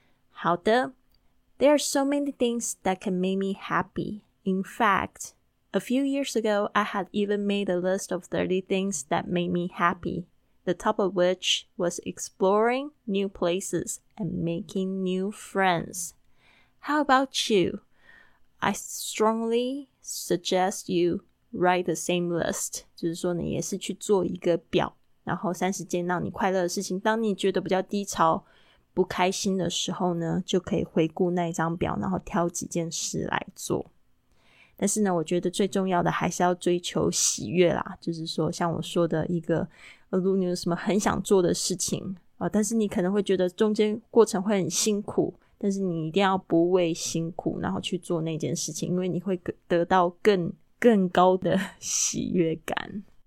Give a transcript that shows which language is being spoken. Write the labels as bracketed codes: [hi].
[zh] 好的 [en] There are so many things that can make me happy In factA few years ago, I had even made a list of 30 things that made me happy, the top of which was exploring new places and making new friends. How about you? I strongly suggest you write the same list. [zh] 就是说你也是去做一个表，然后30件让你快乐的事情，当你觉得比较低潮不开心的时候呢，就可以回顾那一张表，然后挑几件事来做。但是呢，我觉得最重要的还是要追求喜悦啦，就是说像我说的一个如果你有什么很想做的事情但是你可能会觉得中间过程会很辛苦，但是你一定要不畏辛苦然后去做那件事情，因为你会得到更高的喜悦感。